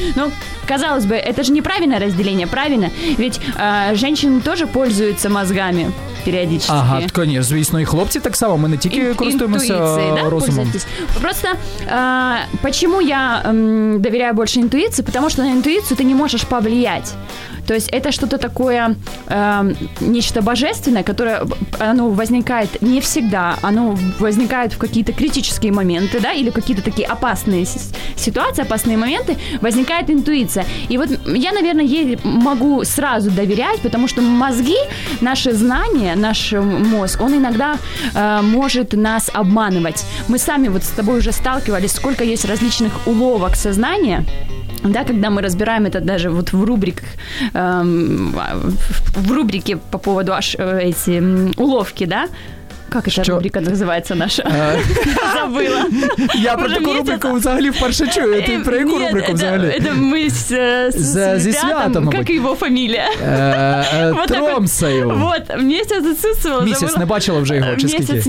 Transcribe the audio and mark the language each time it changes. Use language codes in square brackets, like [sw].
[ru] Ну, казалось бы, это же неправильное разделение, правильно? Ведь женщины тоже пользуются мозгами. Периодически. [uk] Ага, конечно, звісно, і хлопці так само, ми не тільки користуємося розумом. [ru] Просто, почему я доверяю больше интуиции? Потому что на интуицию ты не можешь повлиять. То есть это что-то такое, нечто божественное, которое, оно возникает не всегда, оно возникает в какие-то критические моменты, да, или какие-то такие опасные ситуации, опасные моменты, возникает интуиция. И вот я, наверное, ей могу сразу доверять, потому что мозги, наши знания, наш мозг, он иногда может нас обманывать. Мы сами вот с тобой уже сталкивались, сколько есть различных уловок сознания. Да, когда мы разбираем это даже вот в рубриках, в рубрике по поводу аж эти уловки, да, [uk] Как ця що... рубрика називається наша? Забила. Я про таку рубрику взагалі вперше чую. Ти про яку рубрику взагалі? Ми зі святом, мабуть. Як його фамілія? Тромсою. Вот, місяць відсутствовала. Місяць, не бачила вже його, чи скільки?